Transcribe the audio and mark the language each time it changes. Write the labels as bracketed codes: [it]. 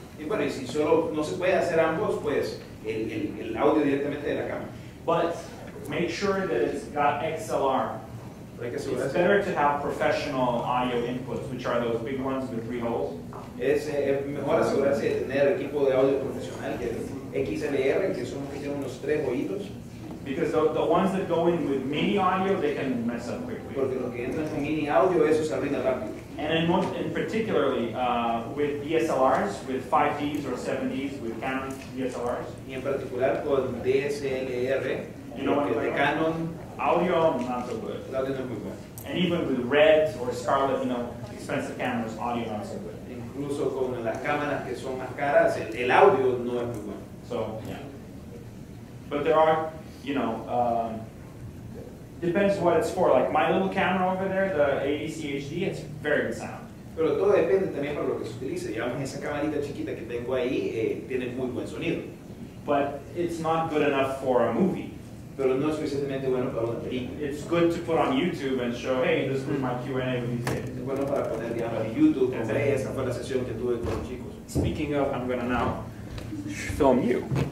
[es] Y bueno, y si solo no se puede hacer ambos, pues el audio directamente de la cámara. [en] But make sure that it's got XLR. It's better to have professional audio inputs, which are those big ones with three holes. [es] Es mejor asegurarse de tener equipo de audio profesional que XLR, que son los que tienen unos tres oídos. [en] Because the ones that go in with mini audio, they can mess up quickly. [es] Porque lo que entra con mini audio, eso se arruina rápido. [en] And in particularly with DSLRs, with 5Ds or 7Ds, with Canon DSLRs. [es] Y en particular con DSLR, [en] you know, [es] de Canon. [en] Audio, not so good. [es] El audio no es muy bueno. [en] And even with Red or Scarlett, you know, expensive cameras, audio not so good. [es] Incluso con las cámaras que son más caras, el audio no es muy bueno. [en] So, yeah. But there are, you know, depends what it's for. Like my little camera over there, the ADCHD, it's very good sound. [es] Pero todo depende también para lo que se utilice. Digamos, esa camarita chiquita que tengo ahí tiene muy buen sonido. [en] But it's not good enough for a movie. [es] Pero no es suficientemente bueno para una película. [en] It's good to put on YouTube and show, hey, this was my Q&A with you. [es] Es bueno para poner, digamos, YouTube, como hey, esa fue la sesión que tuve con los chicos. [en] Speaking of, I'm going to now film you.